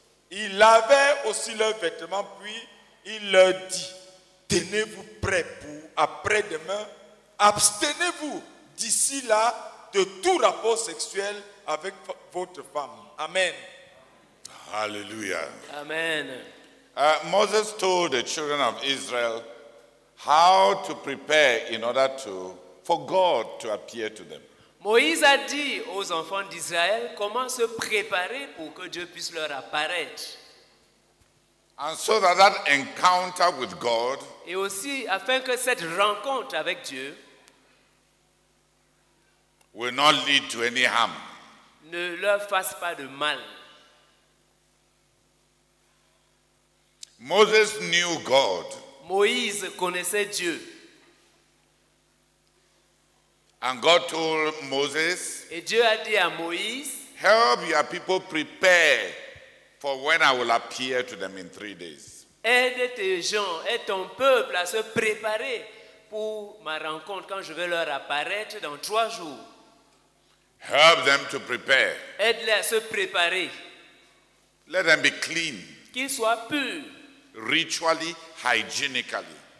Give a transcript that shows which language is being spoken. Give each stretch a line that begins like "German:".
French: Il lavait aussi leurs vêtements, puis il leur dit, tenez-vous prêts pour après-demain, abstenez-vous d'ici là de tout rapport sexuel avec votre femme. Amen. Alléluia. Amen.
English: Moses told the children of Israel how to prepare in order to for God to appear to them.
French: Moïse a dit aux enfants d'Israël comment se préparer pour que Dieu puisse leur apparaître.
English: And so that encounter with God,
French: et aussi afin que cette rencontre avec Dieu
English: will not lead to any harm.
French: Ne leur fasse pas de mal.
English: Moses knew God.
French: Moïse connaissait Dieu.
English: And God told Moses,
French: et Dieu a dit à Moïse,
English: help your people prepare for when I will appear to them in 3 days.
French: Aide tes gens, aide ton peuple à se préparer pour ma rencontre quand je vais leur apparaître dans 3 jours.
English: Help them to prepare.
French: Aide-les à se préparer.
English: Let them be clean.
French: Qu'ils soient purs.
English: Ritually, hygienically.